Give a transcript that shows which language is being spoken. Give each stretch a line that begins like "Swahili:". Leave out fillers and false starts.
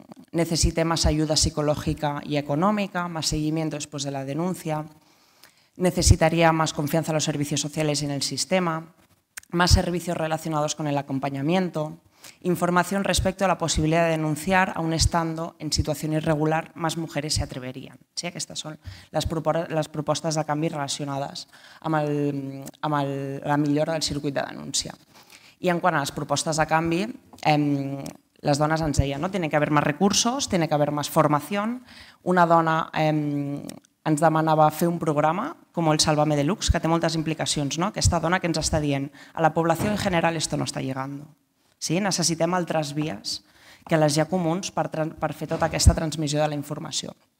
Spanish: necesite más ayuda psicológica y económica, más seguimiento después de la denuncia, necesitaría más confianza en los servicios sociales y en el sistema, más servicios relacionados con el acompañamiento, información respecto a la posibilidad de denunciar aun estando en situación irregular, más mujeres se atreverían.
Catalan: Sí, aquestes són les propostes de canvi relacionades amb la millora del circuit de denúncia. I en quant a les propostes de canvi, les dones ens deien, no?
Spanish: Tiene que haber más recursos, tiene que haber más formación.
Catalan: Una dona ens demanava fer un programa com el Sálvame Deluxe, que té moltes implicacions. No? Aquesta dona que ens està dient a la població en general
Spanish: esto no está llegando.
Catalan: Sí, necessitem altres vies que les ja comuns per fer tota aquesta transmissió de la informació.